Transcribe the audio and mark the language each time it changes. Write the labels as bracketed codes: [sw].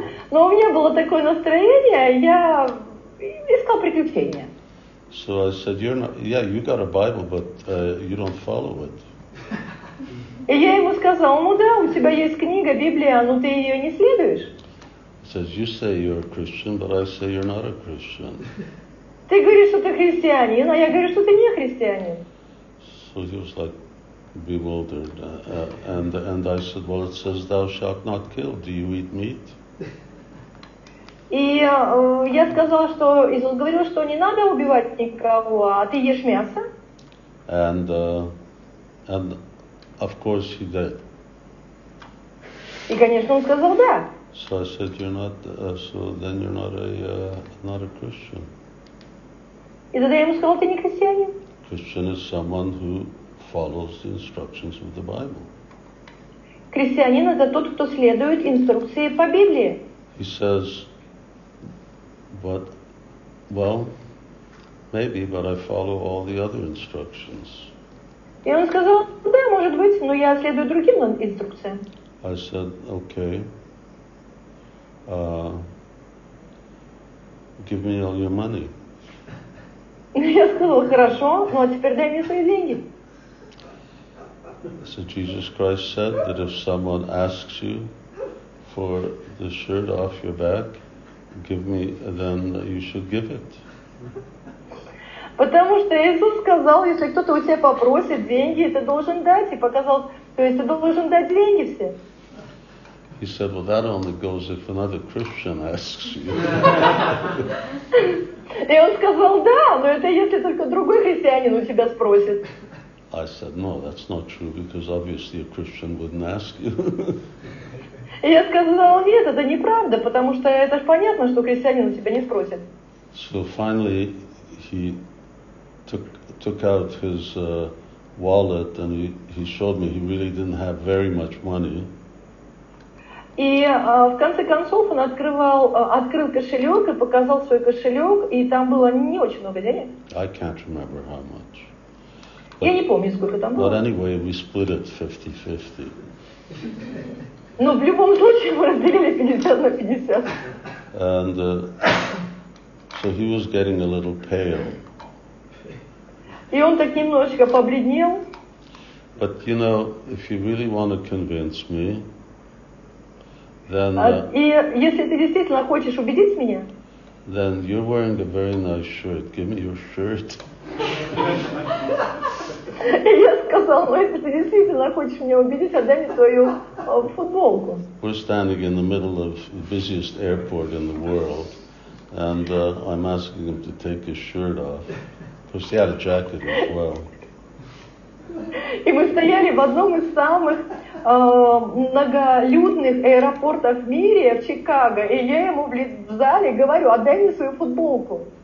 [ru] Но у меня было такое настроение, я искал приключения. [en] So I said, "You're not. Yeah, you got a Bible, but you don't follow it." [ru] И я ему сказал: "Ну да, у тебя есть книга, Библия, но ты ее не следуешь." [en] Says you say you're a Christian, but I say you're not a Christian. [ru] Ты говоришь, что ты христианин, а я говорю, что ты не христианин. [en] So he was like bewildered, and I said, "Well, it says thou shalt not kill. Do you eat meat?" [ru] И я сказал, что Иисус говорил, что не надо убивать никого, а ты ешь мясо? [en] And of course he did. [ru] И конечно он сказал да. [en] So I said, "You're not. So then you're not not a Christian." [ru] И тогда я ему сказал, ты не христианин. [en] Christian is someone who follows the instructions of the Bible. [ru] Христианин это тот, кто следует инструкции по Библии. [en] He says, "But, well, maybe, but I follow all the other instructions." [ru] И он сказал, да, может быть, но я следую другим инструкциям. [en] I said, "Okay. Give me all your money." [ru] Я сказал, хорошо, ну а теперь дай мне свои деньги. [en] So Jesus Christ said that if someone asks you for the shirt off your back, give me, then you should give it. [ru] Потому что Иисус сказал, если кто-то у тебя попросит деньги, ты должен дать, и показал, то есть ты должен дать деньги все. [en] He said, "Well, that only goes if another Christian asks you." [ru] И он сказал, да, но это если только другой христианин у тебя спросит. [en] I said, "No, that's not true, because obviously a Christian wouldn't ask you." [ru] И я сказал, нет, это неправда, потому что это ж понятно, что христианин у тебя не спросит. [en] So finally he took out his wallet and he showed me he really didn't have very much money. [ru] И в конце концов он открыл кошелек и показал свой кошелек, и там было не очень много денег. [en] I can't remember how much. [ru] Я не помню, сколько там было. [en] But anyway, we split it 50-50. [ru] Но в любом случае мы разделили 50 на 50. [en] And so he was getting a little pale. [ru] И он так немножечко побледнел. [en] But you know, if you really want to convince me, then, [ru] и если ты действительно хочешь убедить меня, [en] then you're wearing a very nice shirt. Give me your shirt. [ru] И я сказал, ну если ты действительно хочешь меня убедить, отдай мне свою футболку. [en] We're standing in the middle of the busiest airport in the world, and I'm asking him to take his shirt off, because he had a jacket as well. [ru] И мы стояли в одном из самых многолюдных аэропортов в мире, в Чикаго, и я ему в зале говорю, отдай мне свою футболку.